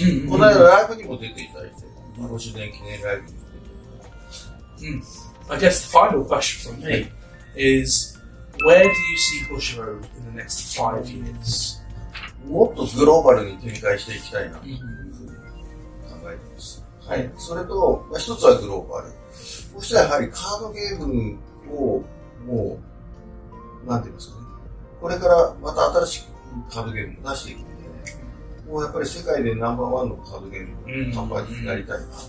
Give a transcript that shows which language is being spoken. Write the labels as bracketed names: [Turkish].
[Japanese] この間ライブにも出ていただいて、50年記念ライブにも出ていただいて。 [English] I guess the final question from me is, where do you see Bushiroad in the next 5 years? [Japanese] もっとグローバルに展開していきたいなというふうに考えています。はい。それと、まあ、一つはグローバル。そしてやはりカードゲームをもう、なんて言いますかね。これからまた新しくカードゲームを出していくので、ね、もうやっぱり世界でナンバーワンのカードゲームを販売になりたいな。